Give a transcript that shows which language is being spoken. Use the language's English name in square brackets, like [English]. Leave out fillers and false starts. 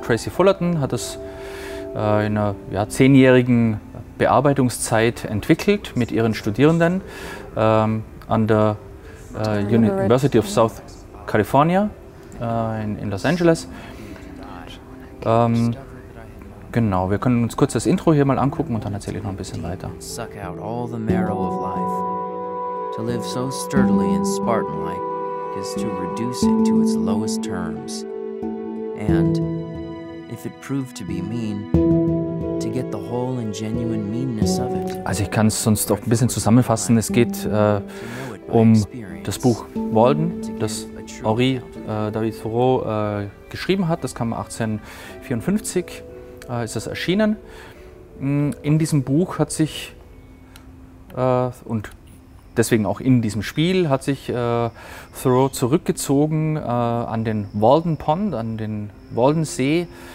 [German] Tracy Fullerton hat es in einer 10-jährigen Bearbeitungszeit entwickelt mit ihren Studierenden an der University of South California in Los Angeles. Genau, wir können uns kurz das Intro hier mal angucken und dann erzähle ich noch ein bisschen weiter. [English] Suck out all the marrow of life. To live so sturdily and Spartan-like is to reduce it to its lowest terms. And if it proved to be mean, to get the whole and genuine meanness of it. [German] Also ich kann es sonst auch ein bisschen zusammenfassen. Es geht um das Buch Walden, das Henri David Thoreau geschrieben hat. Das kam 1854, ist das erschienen. In diesem Buch hat sich, und deswegen auch in diesem Spiel, hat sich Thoreau zurückgezogen an den Walden Pond, an den Walden See.